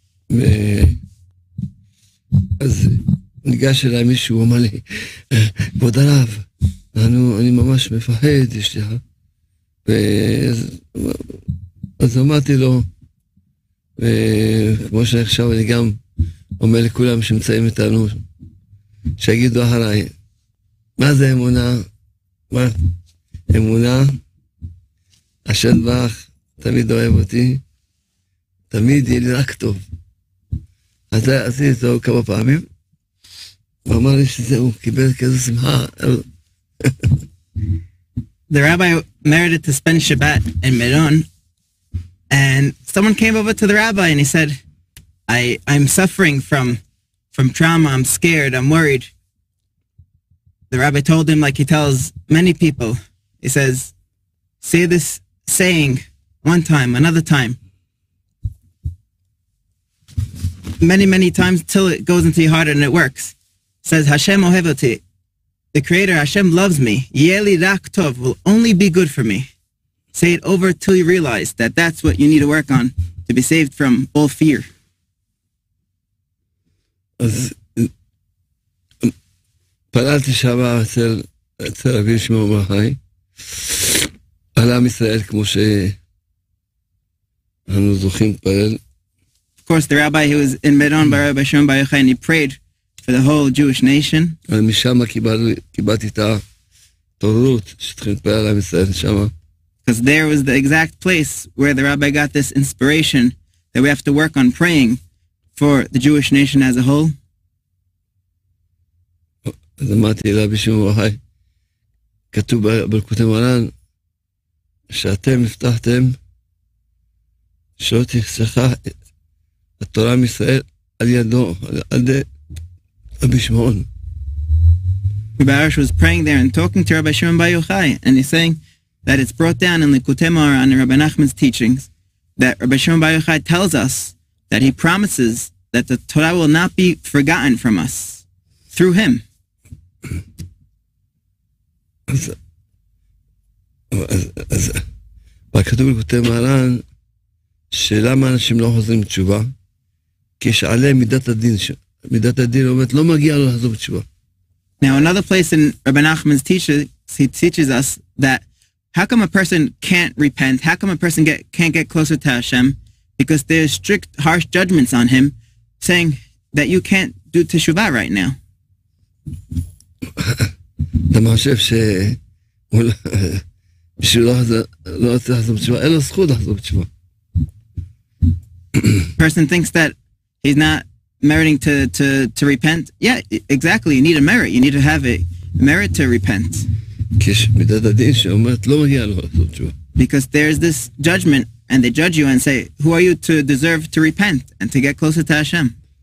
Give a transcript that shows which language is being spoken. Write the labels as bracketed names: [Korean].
[Hebrew] ואז ניגש אליי מישהו, הוא אמר לי, כבוד הרב, אני ממש מפחד, יש לי, ואז אמרתי לו, וכמו שעכשיו אני גם אומר לכולם שמצאים איתנו, שיגידו אחריי, מה זה אמונה? מה? אמונה, השם ברך תמיד אוהב אותי, תמיד יהיה לי רק טוב. אז עשיתי אותו כמה פעמים, ואמר לי שזהו, קיבל כזו שמחה. [English] The rabbi merited to spend Shabbat in Meron, and someone came over to the rabbi and he said, I'm suffering from trauma, I'm scared, I'm worried. The rabbi told him, like he tells many people, he says, say this saying one time, another time, many, many times till it goes into your heart and it works. It says, [Hebrew] Hashem ohev oti. [English] The Creator, Hashem loves me. [Hebrew] Yeli rak tov, [English] will only be good for me. Say it over till you realize that that's what you need to work on to be saved from all fear. [Hebrew] אז פללתי שם אצל רבי שמעון בר חי על עם ישראל כמו שאנו זוכים פלל. [English] Of course, the rabbi who was in Meron by Rabbi Shimon bar Yochai, and he prayed for the whole Jewish nation. [Hebrew] ומשם קיבלתי את התורות שתחיל פלל עם ישראל שם. [English] Because there was the exact place where the rabbi got this inspiration that we have to work on praying for the Jewish nation as a whole. [Hebrew] אז אמרתי לרבי שמעון בר חי, כתוב בברכות מרן, שאתם הבטחתם שלא תשכח התורה מישראל על ידו, על ידי רבי שמעון. [English] Rabbi Arash was praying there and talking to Rabbi Shimon bar Yochai, and he's saying that it's brought down in Likutei Moharan and Rabbi Nachman's teachings that Rabbi Shimon bar Yochai tells us that he promises that the Torah will not be forgotten from us through him. [Hebrew] אז כתוב בליקוטי מוהר"ן שלמה אנשים לא חוזרים בתשובה, כי יש עליהם מידת הדין, מידת הדין אומרת לא מגיע לו לחזור בתשובה. [English] Now another place in Rabbi Nachman's teachings, he teaches us that how come a person can't repent? How come a person can't get closer to Hashem? Because there's strict, harsh judgments on him, saying that you can't do teshuvah right now. [Hebrew] אתה חושב שמישהו לא רוצה לחזור בתשובה, אין לו זכות לחזור בתשובה. [English] Person thinks that he's not meriting to repent. Yeah, exactly. You need a merit. You need to have a merit to repent. Because there's this judgment and they judge you and say, who are you to deserve to repent and to get closer to Hashem?